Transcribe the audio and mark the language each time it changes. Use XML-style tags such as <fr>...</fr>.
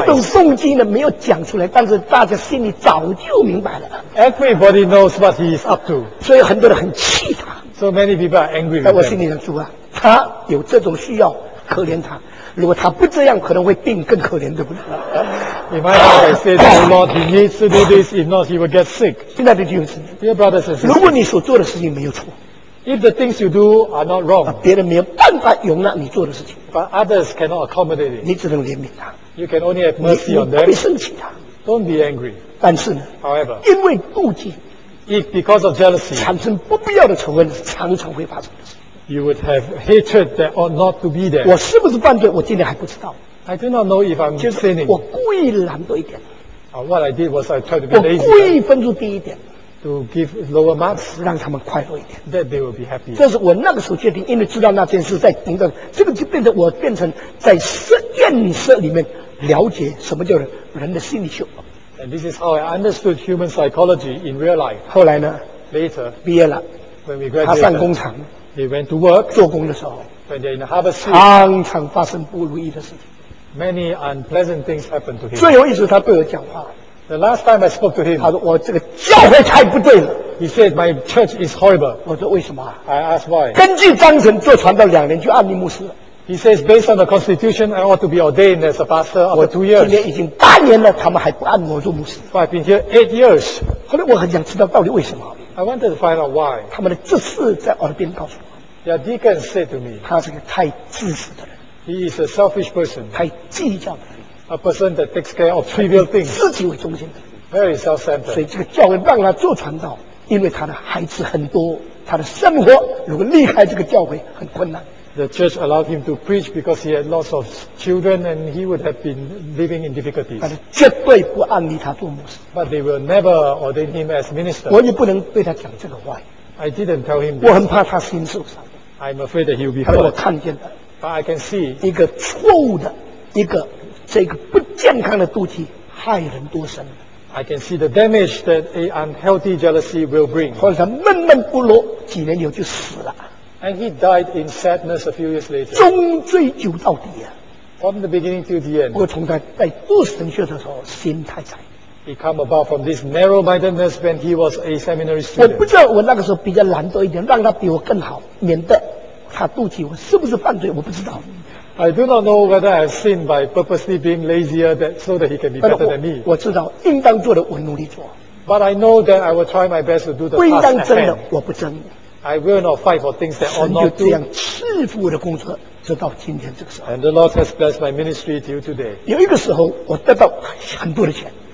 <zh>这种动机呢没有讲出来，但是大家心里早就明白了。</zh> <en>Everybody knows what he is up to.</en> <zh>所以很多人很气他。</zh> <en>So many people are angry with him.</en> <zh>在我心里想说啊，他有这种需要，可怜他。如果他不这样，可能会病更可怜，对不对</zh> <en>？In my heart, I say, Oh Lord, he needs to do this. If not, he will get sick.</en> <zh>亲爱的弟兄姊妹</zh> <en>，Dear brothers and sisters,</en> <zh>如果你所做的事情没有错</zh> <en>，If the things you do are not wrong,</en> <zh>别人没有办法容纳你做的事情</zh> <en>，But others cannot accommodate it.</en> <zh>你只能怜悯他。</zh> <en>You can only have mercy on them.</en> <zh>你不要生气他。</zh> <en>Don't be angry.</en> <zh>但是呢</zh> <en>，However,</en> <zh>因为妒忌。</zh> <en>If because of jealousy,</en> <zh>产生不必要的仇恨是常常会发生的事。</zh> <en>You would have hatred that ought not to be there.</en> <zh>我是不是犯罪？我今天还不知道。</zh> <en>I do not know if I'm sinning.</en> <zh>我故意懒惰一点。</zh> <en>What I did was I tried to be lazy.</en> <zh>我故意分数低一点。</zh> <en>To give lower marks.</en> <zh>让他们快乐一点。</zh> <en>That they will be happy.</en> <zh>这是我那个时候决定，因为知道那件事在等等，这个就变成我变成在实验室里面了解什么叫人的心理学。</zh> <en>And this is how I understood human psychology in real life.</en> <zh>后来呢</zh> <en>？Later,</en> <zh>毕业了</zh> <en>，when we graduated,</en> <zh>他上工厂</zh> <en>，he went to work.</en> <zh>做工的时候</zh> <en>，when they're in the harvest field,</en> <zh>常常发生不如意的事情。</zh> <en>Many unpleasant things happened to him.</en> <zh>最后一次他对我讲话</zh> <en>，the last time I spoke to him,</en> <zh>他说我这个教会太不对了。</zh> <en>He said my church is horrible.</en> <zh>我说为什么</zh> <en>？I asked why.</en> <zh>根据章程做传道两年就按立牧师了。</zh> <en>He says, based on the constitution, I ought to be ordained as a pastor after 2 years.</en> <zh>今年已经八年了，他们还不按我做牧师。</zh> <en>I've been here 8 years.</en> <zh>后来我很想知道到底为什么。</zh> <en>I wanted to find out why.</en> <zh>他们的执事在耳边告诉我。</zh> <en>Yeah, deacon said to me.</en> <zh>他是个太自私的人。</zh> <en>He is a selfish person.</en> <zh>太计较的人。</zh> <en>A person that takes care of trivial things.</en> <zh>自己为中心的人。</zh> <en>Very self-centered.</en> <zh>所以这个教会让他做传道，因为他的孩子很多，他的生活如果离开这个教会很困难。</zh> <en>The church allowed him to preach because he had lots of children and he would have been living in difficulties.</en> <zh>但是绝对不按立他做牧师。</zh> <en>But they will never ordain him as minister.</en> <zh>我也不能对他讲这个话。</zh> <en>I didn't tell him this.</en> <zh>我很怕他心受伤。</zh> <en>I'm afraid that he will be hurt.</en> <zh>他被我看见了。</zh> <en>But I can see.</en> <zh>一个错误的，一个这个不健康的妒忌，害人多深。</zh> <en>I can see the damage that an unhealthy jealousy will bring.</en> <zh>或者他闷闷不乐，几年以后就死了。</zh> <en>And he died in sadness a few years later.</en> <zh>终追究到底啊</zh> <en>！From the beginning to the end.</en> <zh>不过从他在读神学的时候，心太窄。</zh> <en>He come about from this narrow-mindedness when he was a seminary student.</en> <zh>我不知道我那个时候比较懒惰一点，让他比我更好，免得他妒忌我是不是犯罪，我不知道。</zh> <en>I do not know whether I have sinned by purposely being lazier that so that he can be better than me.</en> <zh>我知道应当做的我努力做。</zh> <en>But I know that I will try my best to do the task.</en> <zh>不应当争的我不争。</zh> <en>I will not fight for things that ought not to.</en> <zh>神就这样赐福我的工作，直到今天这个时候。</zh> <en>And the Lord has blessed my ministry till today.</en> <zh>有一个时候，我得到很多的钱。</zh>